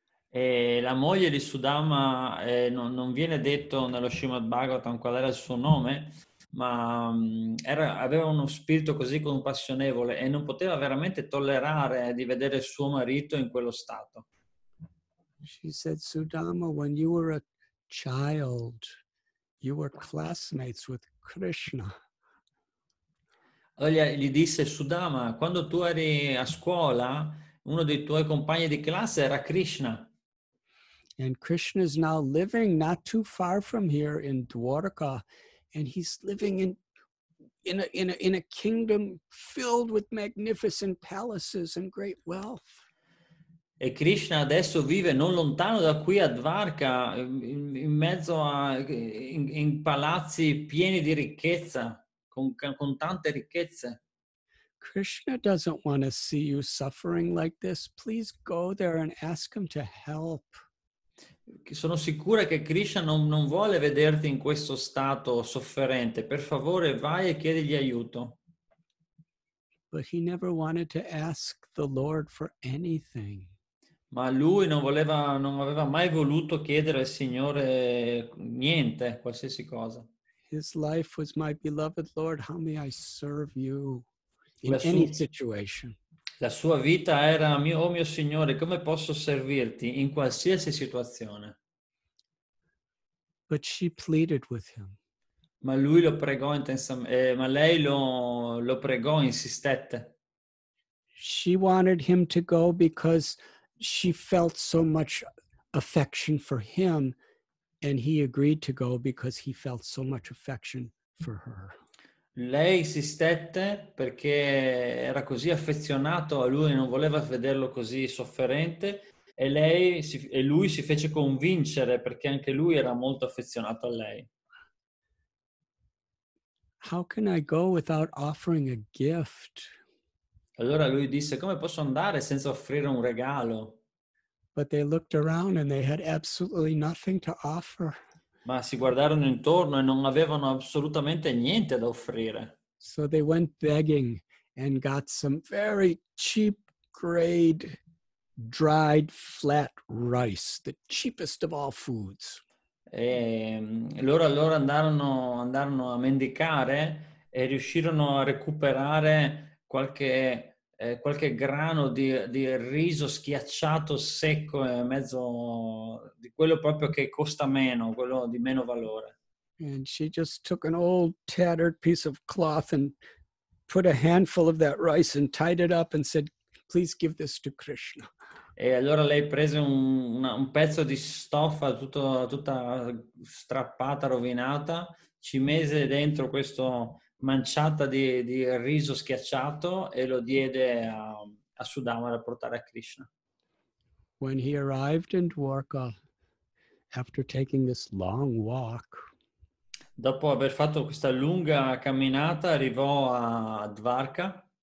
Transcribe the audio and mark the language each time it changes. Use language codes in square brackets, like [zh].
[it] E la moglie di Sudama non viene detto nello Srimad Bhagavatam qual era il suo nome, ma aveva uno spirito così compassionevole e non poteva veramente tollerare di vedere suo marito in quello stato. [en] She said, Sudama, when you were a child, you were classmates with Krishna. [it] Allora gli disse, Sudama, quando tu eri a scuola, uno dei tuoi compagni di classe era Krishna. [en] And Krishna is now living not too far from here in Dwarka, and he's living in a kingdom filled with magnificent palaces and great wealth. [it] E Krishna adesso vive non lontano da qui a Dwarka, in mezzo a in palazzi pieni di ricchezza. Con tante ricchezze. [en] Krishna doesn't want to see you suffering like this. Please go there and ask him to help. [it] Sono sicura che Krishna non vuole vederti in questo stato sofferente. Per favore, vai e chiedigli aiuto. [en] But he never wanted to ask the Lord for anything. [it] Ma lui non aveva mai voluto chiedere al Signore niente, qualsiasi cosa. [en] His life was, my beloved Lord, how may I serve you in any situation? [it] La sua vita era, oh mio Signore, come posso servirti in qualsiasi situazione? [en] But she pleaded with him. [it] Ma lui lo pregò ma lei lo pregò, insistette. [en] She wanted him to go because she felt so much affection for him. And he agreed to go because he felt so much affection for her. [it] Lei insistette perché era così affezionato a lui e non voleva vederlo così sofferente. E lui si fece convincere perché anche lui era molto affezionato a lei. [en] How can I go without offering a gift? [it] Allora lui disse, come posso andare senza offrire un regalo? [en] But they looked around and they had absolutely nothing to offer. [it] Ma si guardarono intorno e non avevano assolutamente niente da offrire. [en] So they went begging and got some very cheap grade dried flat rice, the cheapest of all foods. [it] E loro allora andarono a mendicare e riuscirono a recuperare qualche grano di riso schiacciato secco e mezzo di quello proprio che costa meno, quello di meno valore. [en] And she just took an old tattered piece of cloth and put a handful of that rice and tied it up and said, please give this to Krishna. [it] E allora lei prese un pezzo di stoffa tutta strappata, rovinata, ci mese dentro questo manciata di riso schiacciato e lo diede a Sudama da portare a Krishna. [en] When he arrived in Dwarka after taking this long walk, [it] dopo aver fatto questa lunga camminata, arrivò a Dwarka.